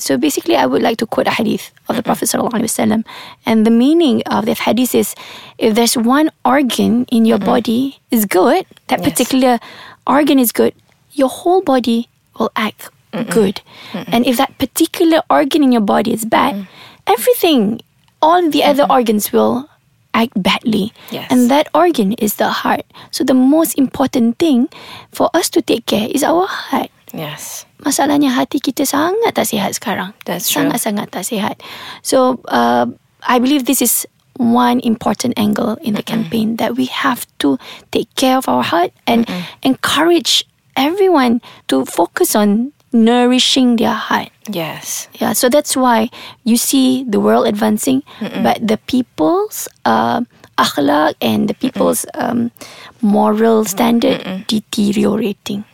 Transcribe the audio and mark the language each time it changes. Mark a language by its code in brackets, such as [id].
[en] So basically, I would like to quote a hadith of the Prophet sallallahu alaihi wasallam, and the meaning of this hadith is: if there's one organ in your body is good, that particular organ is good, your whole body will act good. And if that particular organ in your body is bad, everything, all the other organs will act badly. Yes. And that organ is the heart. So the most important thing for us to take care is our heart. Yes. [ms] Masalahnya hati kita sangat tak sihat sekarang. [en] That's true. [ms] Sangat-sangat tak sihat. [en] So I believe this is one important angle in the campaign, that we have to take care of our heart and encourage everyone to focus on nourishing their heart. Yes. Yeah. So that's why you see the world advancing, but the people's akhlaq and the people's moral standard deteriorating.